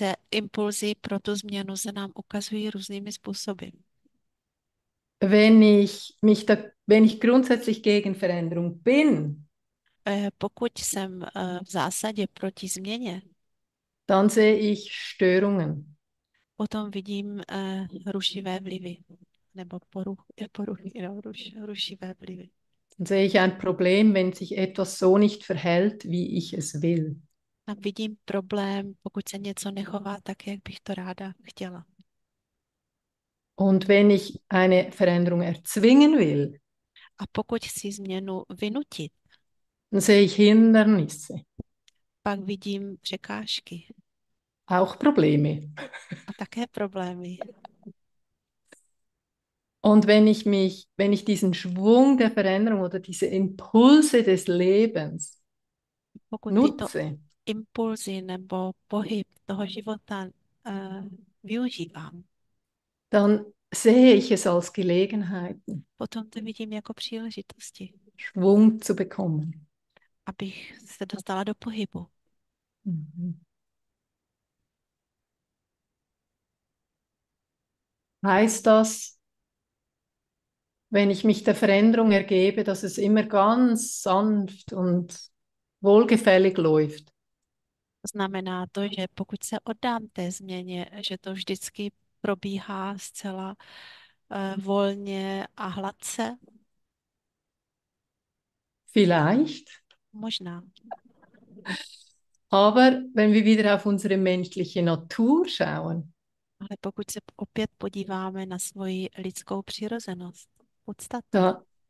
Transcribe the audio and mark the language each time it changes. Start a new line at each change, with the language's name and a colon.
Czech: Impulzy pro tu změnu se nám ukazují různými způsoby.
German: Wenn ich grundsätzlich gegen Veränderung bin,
Czech: Pokud jsem v zásadě proti změně,
German: dann sehe ich Störungen.
Czech: potom vidím rušivé vlivy nebo poruchy, no, rušivé vlivy.
German: Dann sehe ich ein Problem, wenn sich etwas so nicht verhält, wie ich es will.
Czech: A vidím problém, pokud se něco nechová tak, jak bych to ráda chtěla.
German: Und wenn ich eine Veränderung erzwingen will,
Czech: A pokud chci změnu vynutit,
German: dann sehe ich Hindernisse.
Czech: pak vidím překážky.
German: Auch Probleme.
Czech: A také problémy.
German: Und wenn ich diesen Schwung der Veränderung oder diese Impulse des Lebens
Czech: Pokud tyto
German: nutze,
Czech: impulzy nebo pohyb toho života využívám,
German: dann sehe ich es als Gelegenheiten,
Czech: potom to vidím jako příležitosti,
German: Schwung zu bekommen.
Czech: abych se dostala do pohybu.
German: Heißt das, wenn ich mich der Veränderung ergebe, dass es immer ganz sanft und wohlgefällig läuft?
Czech: Znamená to, že pokud se oddám té změně, že to vždycky probíhá zcela volně a hladce?
German: Vielleicht.
Czech: Možná.
German: Aber wenn wir wieder auf unsere menschliche Natur schauen,
Czech: Ale pokud se opět podíváme na svoji lidskou přirozenost, podstatu,